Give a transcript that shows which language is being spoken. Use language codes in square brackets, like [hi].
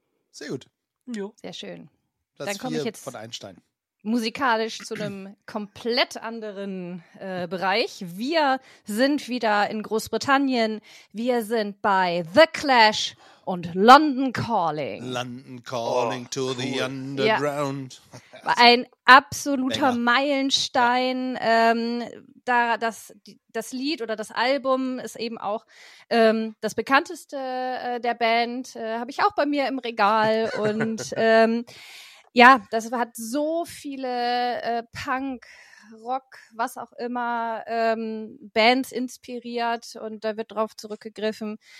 [de] Sehr gut. Jo. Sehr schön. Platz dann komme ich jetzt von Einstein musikalisch zu einem komplett anderen Bereich. Wir sind wieder in Großbritannien. Wir sind bei The Clash und London Calling. [en] London Calling to the underground. [de] Ja. Ein absoluter Länger. Meilenstein. Das Lied oder das Album ist eben auch das bekannteste der Band. Habe ich auch bei mir im Regal. Und ja, das hat so viele Punk, Rock, was auch immer, Bands inspiriert und da wird drauf zurückgegriffen.